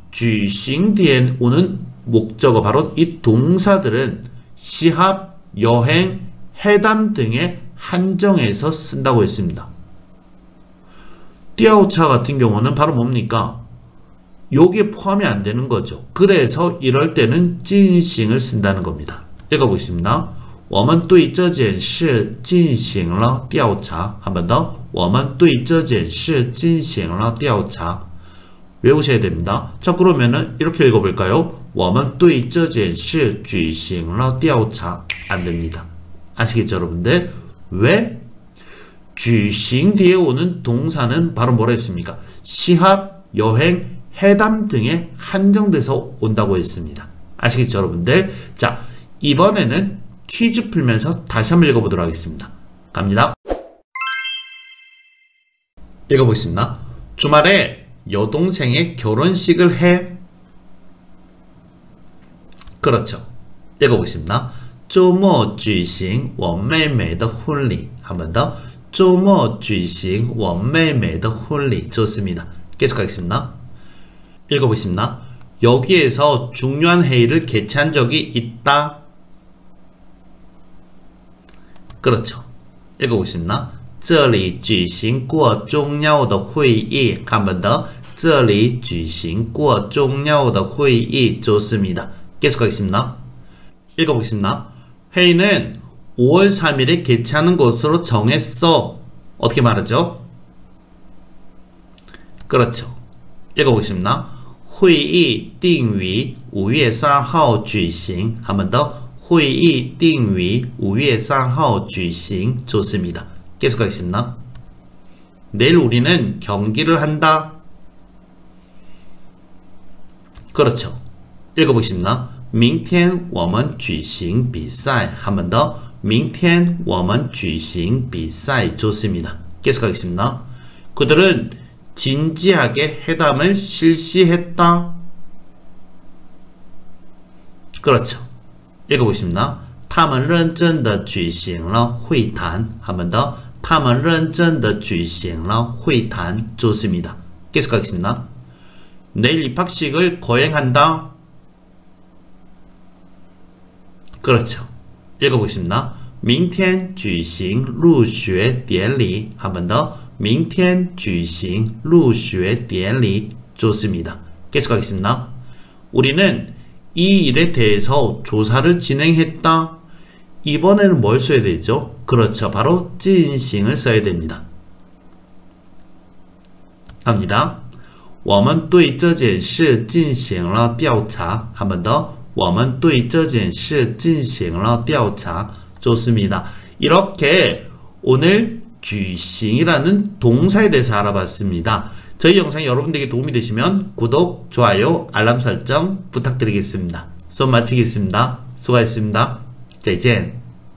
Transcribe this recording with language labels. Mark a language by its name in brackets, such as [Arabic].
[Korean] 쥐싱 뒤에 오는 목적어, 바로 이 동사들은 시합, 여행, 해담 등의 한정해서 쓴다고 했습니다. 띄어오차 같은 경우는 바로 뭡니까? 여기에 포함이 안 되는 거죠. 그래서 이럴 때는 진싱을 쓴다는 겁니다. 읽어보겠습니다. [Chinese] 我们对这件事进行了调查. [Korean] 한번 더. [Chinese] 我们对这件事进行了调查. [Korean] 외우셔야 됩니다. 자, 그러면은 이렇게 읽어볼까요? [Chinese] 我们对这件事举行了调查. [Korean] 안 됩니다. 아시겠죠, 여러분들? 왜? 쥐싱 뒤에 오는 동사는 바로 뭐라 했습니까? 시합, 여행, 해담 등에 한정돼서 온다고 했습니다. 아시겠죠, 여러분들? 자, 이번에는 퀴즈 풀면서 다시 한번 읽어보도록 하겠습니다. 갑니다. 읽어보겠습니다. 주말에 여동생의 결혼식을 해. 그렇죠. 읽어보겠습니다. [Chinese] 周末举行我妹妹的婚礼. [Korean] 한번 더. [Chinese] 周末举行我妹妹的婚礼. [Korean] 좋습니다. 계속 가겠습니다. 읽어보겠습니다. 여기에서 중요한 회의를 개최한 적이 있다. 그렇죠. 읽어보겠습니다. [Chinese] 这里举行过重要的会议. [Korean] 한번 더. [Chinese] 这里举行过重要的会议. [Korean] 좋습니다. 계속 가겠습니다. 읽어보겠습니다. 회의는 5월 3일에 개최하는 것으로 정했어. 어떻게 말하죠? 그렇죠. 읽어보겠습니다. 회의 [Chinese] 定于 5월 3일 举行. [Korean] 한번 더. 회의 [Chinese] 定于 5월 3일 举行. [Korean] 좋습니다. 계속 가겠습니다. 내일 우리는 경기를 한다. 그렇죠. 읽어보겠습니다. [Chinese] 明天我们举行比赛. [Korean] 한번 더. [Chinese] 明天我们举行比赛. [Korean] 좋습니다. 계속 하겠습니다. 그들은 진지하게 회담을 실시했다. 그렇죠. 읽어보겠습니다. [Chinese] 他们认真地举行了会谈. [Korean] 한 번 더. [Chinese] 他们认真地举行了会谈. [Korean] 좋습니다. 계속 하겠습니다. 내일 입학식을 거행한다. 그렇죠. 읽어보겠습니다. [Chinese] 明天举行入学典礼. [Korean] 한 번 더. [Chinese] 明天举行入学典礼. [Korean] 좋습니다. 계속 하겠습니다. 우리는 이 일에 대해서 조사를 진행했다. 이번에는 뭘 써야 되죠? 그렇죠. 바로 진행을 써야 됩니다. 갑니다. [Chinese] 我们对这件事进行了调查. [Korean] 한 번 더. [Chinese] 我们对这件事进行了调查. [Korean] 좋습니다. 이렇게 오늘 举行이라는 동사에 대해서 알아봤습니다. 저희 영상이 여러분들에게 도움이 되시면 구독, 좋아요, 알람 설정 부탁드리겠습니다. 수업 마치겠습니다. 수고하셨습니다. 再见.